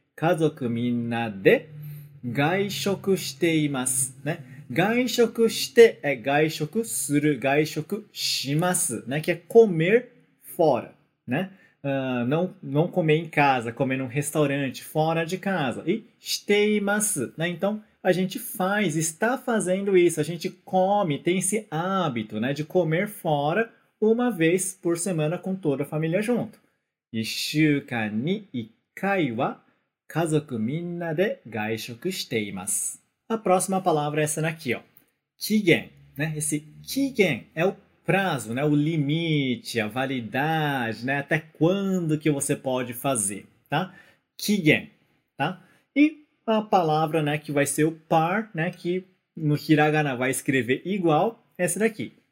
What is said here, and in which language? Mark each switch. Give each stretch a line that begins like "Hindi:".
Japanese: 家族みんなで外食しています。ね。外食して、外食する、外食します。
Portuguese: ね。que é comer fora. Né? Não comer em casa, comer num restaurante fora de casa. E
Japanese: しています。
Portuguese: Né? Então, a gente faz, está fazendo isso. A gente come, tem esse hábito, né, de comer fora uma vez por semana com toda a família junto.
Japanese: 1週間に1回は家族みんなで外食しています。
Portuguese: A próxima palavra é essa daqui, ó. 期限、né? Esse 期限é o prazo, né? O limite, a validade, né? Até quando que você pode fazer, tá? 期限、tá? E a palavra, né, que vai ser o par, né, que no hiragana vai escrever igual, é essa daqui.